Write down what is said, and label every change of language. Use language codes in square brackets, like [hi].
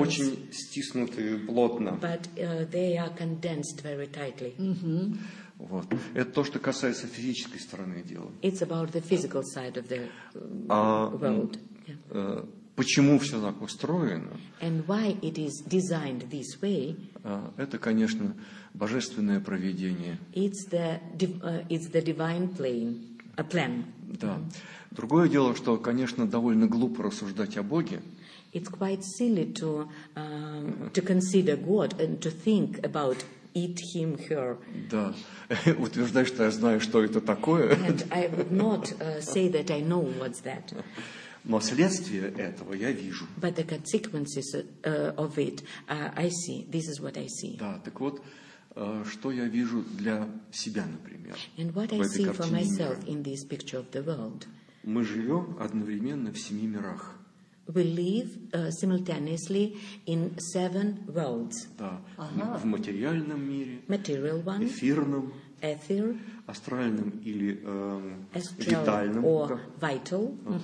[ru] очень стиснутые плотно. [en] But they are condensed very tightly. Mm-hmm. [ru] Вот. Это то, что касается физической стороны дела. [en] It's about the physical side of the world. [ru] Почему все так устроено? [en] And why it is designed this way? [ru] Это, конечно, божественное провидение. [en] It's the divine plan. [ru] Да. Другое дело, что, конечно, довольно глупо рассуждать о Боге. [en] It's quite silly to consider God and to think about it, him, her. [ru] Да. Утверждать, что я знаю, что это такое. [en] And I would not say that I know what's that. [ru] Но следствие этого я вижу. [en] But the consequences of it, I see. This is what I see. [ru] Да, так вот, что я вижу для себя, например, [en] and what I see for myself in this picture of the world. [ru] Мы живем одновременно в семи мирах. [en] We live simultaneously in seven worlds. [ru] Да, в материальном мире, [en] material one, [ru] эфирном, [en] ether, [ru] астральном или витальном, [en] or vital,